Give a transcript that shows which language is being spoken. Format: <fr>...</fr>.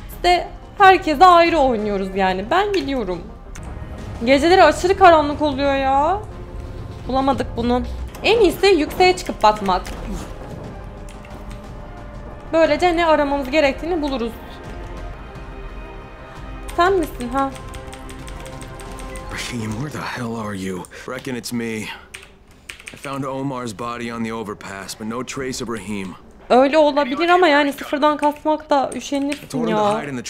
<tr>İşte herkese ayrı oynuyoruz yani. Ben biliyorum. Geceleri aşırı karanlık oluyor ya. Bulamadık bunu. En iyisi yükseğe çıkıp bakmak. Böylece ne aramamız gerektiğini buluruz. Sen misin ha?</tr> <en>Rahim, where the hell are you? Reckon it's me. I found Omar's body on the overpass, but no trace of Rahim.</en> <tr>Öyle olabilir ama yani sıfırdan kasmak da üşenirsin ya.</tr>